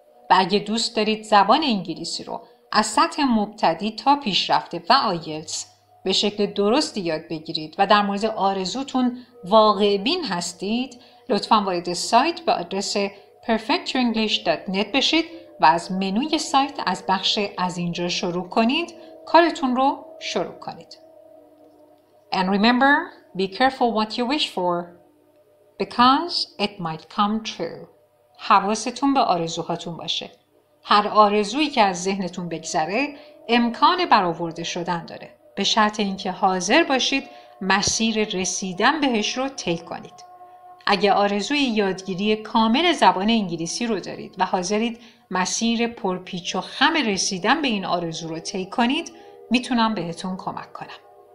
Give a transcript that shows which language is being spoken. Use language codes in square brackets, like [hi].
[fa] و اگه دوست دارید زبان انگلیسی رو از سطح مبتدی تا پیشرفته و آیلتس به شکل درستی یاد بگیرید و در مورد آرزوتون واقع‌بین هستید، لطفاً وارد سایت به آدرس perfectyourenglish.net بشید و از منوی سایت از بخش از اینجا شروع کنید، کارتون رو شروع کنید. [en] And remember, be careful what you wish for, because it might come true. [fa] حواستون به آرزوهاتون باشه. هر آرزویی که از ذهنتون بگذره، امکان برآورده شدن داره. به شرط اینکه حاضر باشید مسیر رسیدن بهش رو طی کنید. اگه آرزوی یادگیری کامل زبان انگلیسی رو دارید و حاضرید مسیر پرپیچ و خم رسیدن به این آرزو رو طی کنید، میتونم بهتون کمک کنم.